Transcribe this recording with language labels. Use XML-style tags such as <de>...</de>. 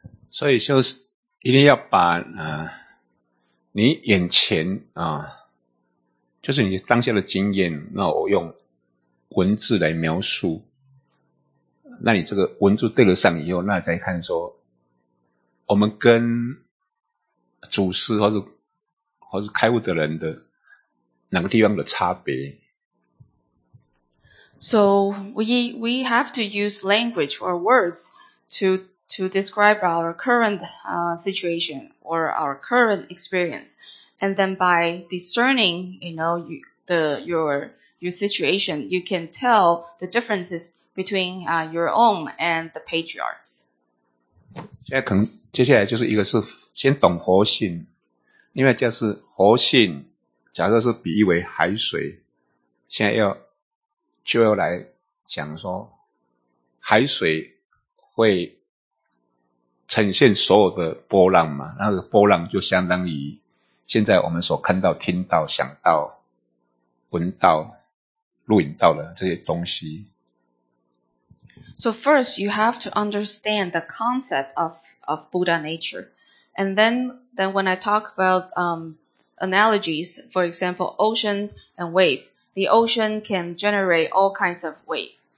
<zh>所以就是一定要把你眼前就是你当下的经验，那我用文字来描述。那你这个文字对得上以后，那再看说我们跟祖师或是开悟的人的哪个地方的差别。</zh> <en>So we have to use language or words to describe our current, situation or our current experience. And then by discerning, you know, your situation, you can tell the differences between, your own and the patriarchs.</en> <zh>现在可能接下来就是一个是先懂佛性，另外就是佛性假设是比喻为海水，现在就要来讲说海水会呈现所有的波浪嘛，那个波浪就相当于现在我们所看到听到想到闻到录影到的这些东西。</zh> <en>So first, you have to understand the concept of Buddha nature. And then when I talk about, analogies, for example, oceans and wave, the ocean can generate all kinds of wave.</en>